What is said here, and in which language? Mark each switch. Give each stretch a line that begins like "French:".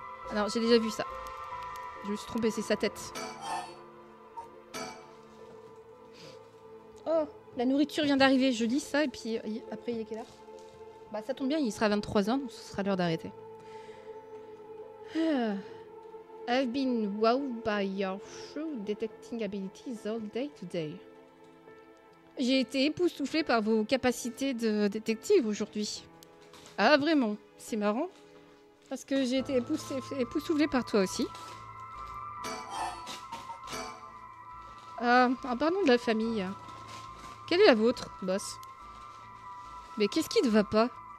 French: Ah non, j'ai déjà vu ça. Je me suis trompée, c'est sa tête. Oh, la nourriture vient d'arriver. Je lis ça et puis après, il est quelle heure? Bah ça tombe bien, il sera 23h, donc ce sera l'heure d'arrêter.
English: I've been wowed by your shrewd detecting abilities all day today.
French: J'ai été époustouflée par vos capacités de détective aujourd'hui. Ah vraiment, c'est marrant. Parce que j'ai été époustouflée par toi aussi. En parlant de la famille, quelle est la vôtre, boss? Mais qu'est-ce qui ne va pas?